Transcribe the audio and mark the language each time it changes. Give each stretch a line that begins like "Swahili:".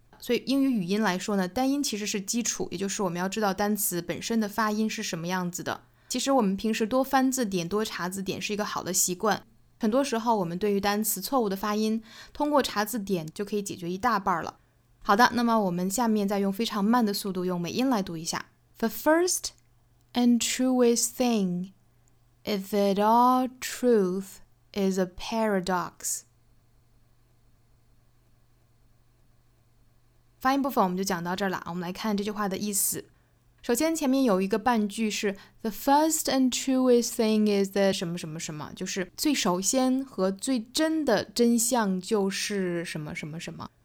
Chinese: 所以英语语音来说呢，单音其实是基础，也就是我们要知道单词本身的发音是什么样子的。其实我们平时多翻字典多查字典是一个好的习惯，很多时候我们对于单词错误的发音通过查字典就可以解决一大半了。好的，那么我们下面再用非常慢的速度用美音来读一下。
English: The first and truest thing is that all truth is a paradox。
Chinese: 发音部分我们就讲到这儿了，我们来看这句话的意思。首先前面有一个半句是
English: The first and truest thing is the
Chinese: 什么什么什么，就是最首先和最真的真相就是什么什么什么。